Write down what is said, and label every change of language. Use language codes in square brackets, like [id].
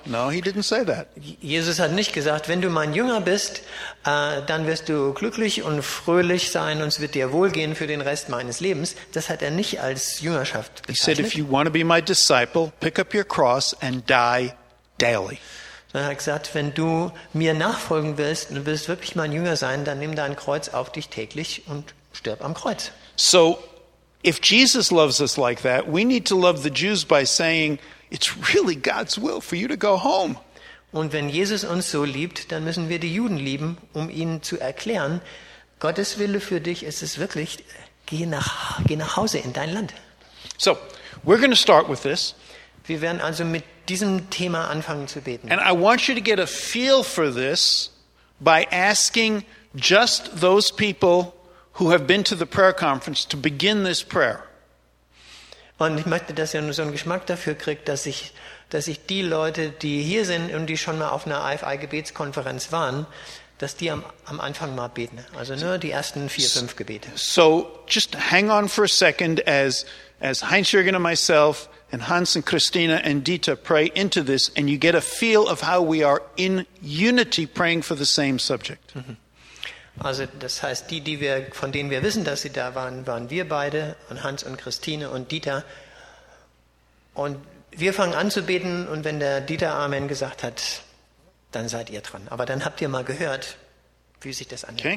[en] No, he didn't say that. [de] Jesus hat nicht gesagt, wenn du mein Jünger bist, dann wirst du glücklich und fröhlich sein und es wird dir wohlgehen für den Rest meines Lebens. Das hat er nicht als Jüngerschaft bezeichnet. [en] He said, if you want to be my disciple, pick up your cross and die daily. [de] Er hat gesagt, wenn du mir nachfolgen willst und willst wirklich mein Jünger sein, dann nimm dein Kreuz auf dich täglich und stirb am Kreuz. [en] So, if Jesus loves us like that, we need to love the Jews by saying, it's really God's will for you to go home. [de] Und wenn Jesus uns so liebt, dann müssen wir die Juden lieben, um ihnen zu erklären, Gottes Wille für dich ist es wirklich, geh nach Hause in dein Land. [en] So, we're going to start with this. [de] Wir werden also mit diesem Thema anfangen zu beten. [en] And I want you to get a feel for this by asking just those people who have been to the prayer conference to begin this prayer. [de] Und ich möchte, dass ihr so einen Geschmack dafür kriegt, dass ich die Leute, die hier sind und die schon mal auf einer IFI-Gebetskonferenz waren, dass die am Anfang mal beten. Also nur die ersten 4-5 Gebete. [en] So just hang on for a second as Heinz-Jürgen and myself and Hans and Christina and Dieter pray into this, and you get a feel of how we are in unity praying for the same subject. [de] Also, das heißt, von denen wir wissen, dass sie da waren, waren wir beide, und Hans und Christine und Dieter. Und wir fangen an zu beten, und wenn der Dieter Amen gesagt hat, dann seid ihr dran. Aber dann habt ihr mal gehört, wie sich das anhört.